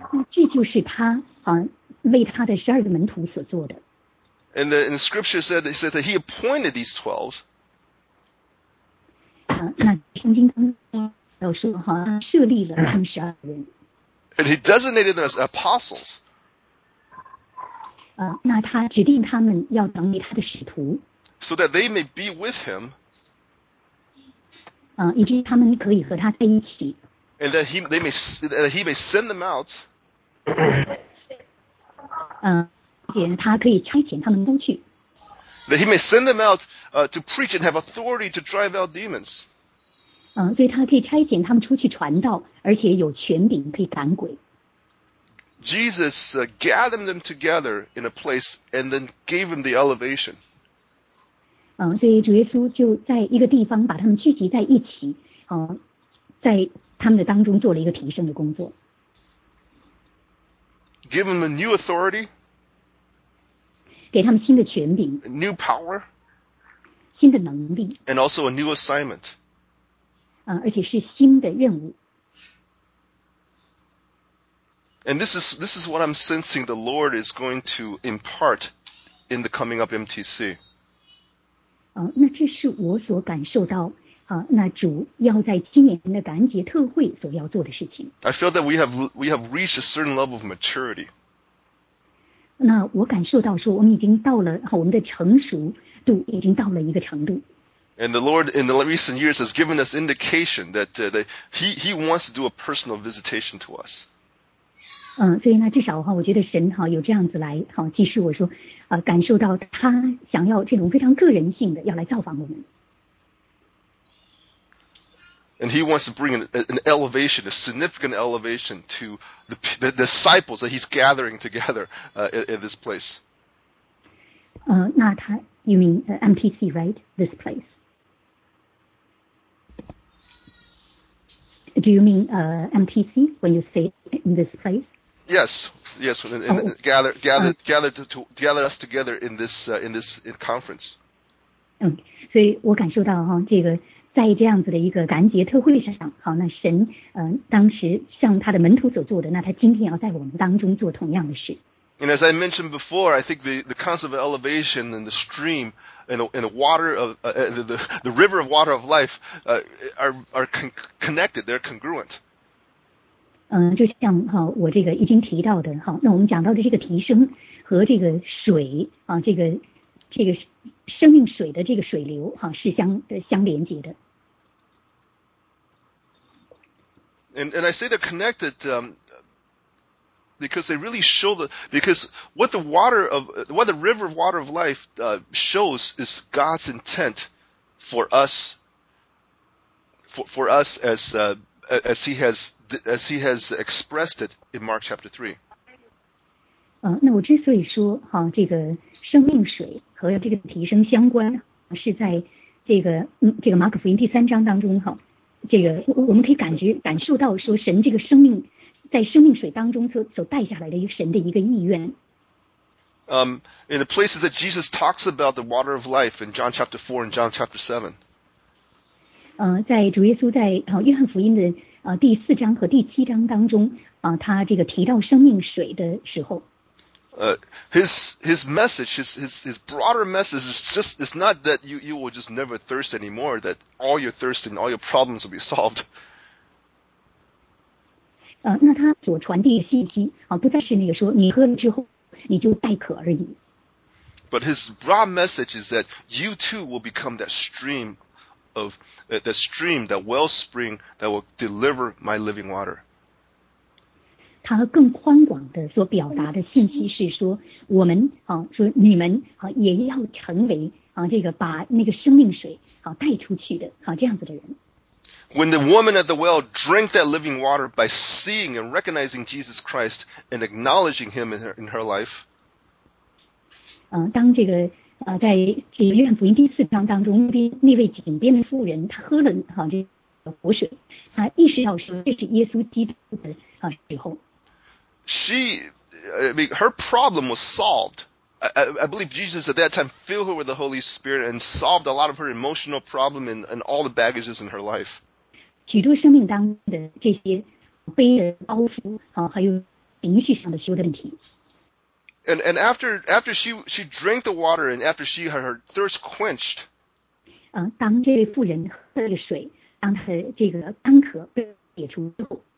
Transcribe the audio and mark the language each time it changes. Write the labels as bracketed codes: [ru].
[zh] 这就是他为他的十二个门徒所做的。 [en] And the scripture said, it said that he appointed these 12. [zh] 那圣经当中说他设立了他们十二人。 [en] And he designated them as apostles. [zh] 那他指定他们要成为他的使徒。 [en] So that they may be with him. [zh] 以及他们可以和他在一起。 [en] And that he may send them out. [zh] 他可以差遣他们出去。 [en] That he may send them out to preach and have authority to drive out demons. [zh] 所以他可以差遣他们出去传道，而且有权柄可以赶鬼。 [en] Jesus gathered them together in a place and then gave them the elevation. [zh] 所以主耶稣就在一个地方把他们聚集在一起，在他们的当中做了一个提升的工作。 [en] Give them a new authority. [zh] 给他们新的权柄 [en] ，new power， [zh] 新的能力 [en] ，and also a new assignment， [zh] 而且是新的任务。 [en] And this is what I'm sensing the Lord is going to impart in the coming up MTC。 [zh] 那这是我所感受到那主要在今年的感恩节特会所要做的事情。 [en] I feel that we have reached a certain level of maturity. [zh] 那我感受到说我们已经到了我们的成熟度已经到了一个程度。 [en] And the Lord in the recent years has given us indication that he wants to do a personal visitation to us. [zh] 所以呢至少我觉得神有这样子来即使我说感受到他想要这种非常个人性的要来造访我们。 [en] And he wants to bring an elevation, a significant elevation to the disciples that he's gathering together in this place. You mean MTC, right? This place. Do you mean MTC when you say in this place? Yes. Gather us together in this conference. So I [zh] 感受到这个在这样子的一个感恩节特会上，那神当时向他的门徒所做的，那他今天要在我们当中做同样的事。 [en] And as I mentioned before, I think the concept of elevation and the stream and the water of the river of water of life are connected. They're congruent. [zh] 就像我这个已经提到的那我们讲到的这个提升和这个水这个生命水的这个水流是相连接的。 [en] And I say they're connected because they really show because what the water of what the river of water of life shows is God's intent for us as he has expressed it in Mark chapter 3. [zh] 那我之所以说这个生命水和这个提升相关是在这个马可福音第三章当中这个我们可以感受到说神这个生命在生命水当中所带下来的一个神的一个意愿。 [en] In the places that Jesus talks about the water of life in John chapter 4 and John chapter 7. [zh] 在主耶稣在约翰福音的第四章和第七章当中他这个提到生命水的时候。 [en] His message, his broader message is not that you will just never thirst anymore, that all your thirst and all your problems will be solved. [zh] 那他所传递的信息不再是那个说你喝了之后你就带渴而已。 [en] But his broad message is that you too will become that stream of, that stream, that wellspring that will deliver my living water. [zh] 他更宽广的所表达的信息是说，我们说你们也要成为这个把那个生命水带出去的这样子的人。 [en] When the woman at the well drank that living water by seeing and recognizing Jesus Christ and acknowledging Him in her life， [zh] 当这个在约翰福音第四章当中，那位井边的妇人，她喝了这个活水，她意识到说这是耶稣基督的时候。 [en] She her problem was solved. I believe Jesus at that time filled her with the Holy Spirit and solved a lot of her emotional problem and all the baggages in her life. [zh] 许多生命当中的这些背的包袱啊，还有情绪上的许多的问题。 [en] And after she drank the water and after she had her thirst quenched. [zh] 当这位妇人喝了水，当她的这个干渴被解除之后